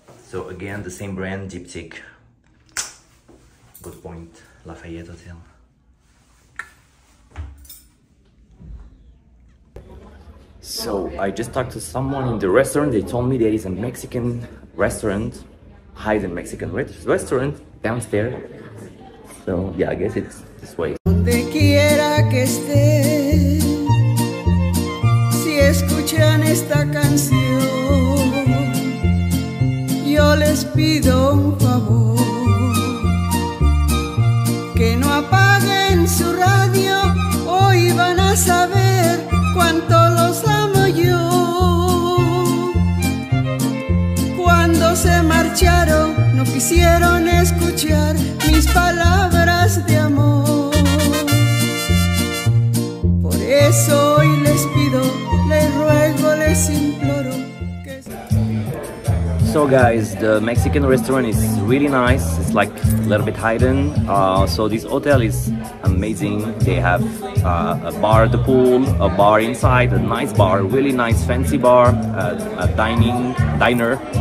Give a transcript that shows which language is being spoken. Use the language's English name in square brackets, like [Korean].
[English] So again, the same brand, Diptyque. Good point, Lafayette Hotel. So I just talked to someone in the restaurant. They told me there is a Mexican restaurant, hidden Mexican restaurant downstairs. So yeah, I guess it's this way. [Spanish] Donde quiera que esté, si escuchan esta canción, yo les pido un favor, que no apaguen su radio, hoy van a saber cuánto los amo yo. Cuando se marcharon, no quisieron escuchar mis palabras de amor. Por eso hoy les pido, les ruego, les imploro que... [English] saw, guys, the Mexican restaurant is really nice. It's like a little bit hidden. So this hotel is amazing. They have a bar at the pool, a bar inside, a nice bar, really nice fancy bar, a diner.